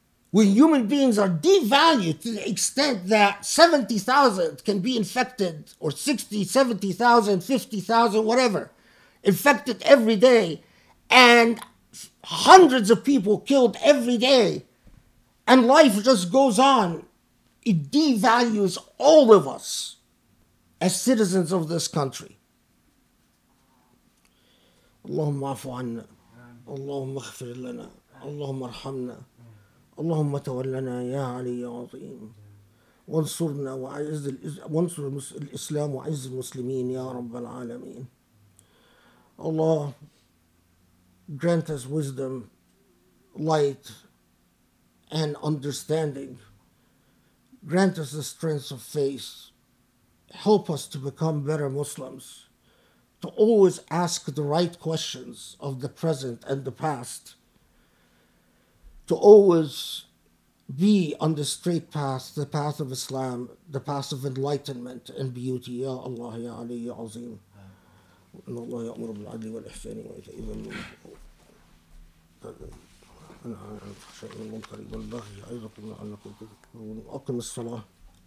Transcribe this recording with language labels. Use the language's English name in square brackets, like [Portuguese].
[English] when human beings are devalued to the extent that 70,000 can be infected, or 60, 70,000, 50,000, whatever, infected every day, and hundreds of people killed every day, and life just goes on, it devalues all of us as citizens of this country. [Arabic] اللهم عفو عنا اللهم اغفر لنا اللهم ارحمنا اللهم تولنا يا علي عظيم وانصرنا وعز وانصر الإسلام وعز المسلمين يا رب العالمين. [English] Allah, grant us wisdom, light, and understanding. Grant us the strength of faith. Help us to become better Muslims, to always ask the right questions of the present and the past, to always be on the straight path, the path of Islam, the path of enlightenment and beauty. Ya Allah, Ya Ali, Ya Azim. [Arabic] إن الله يأمر بالعدل والإحسان وإيتاء ذي القربى وينهى عن الفحشاء والمنكر والبغي يعظكم لعلكم تذكرون. أقم الصلاة.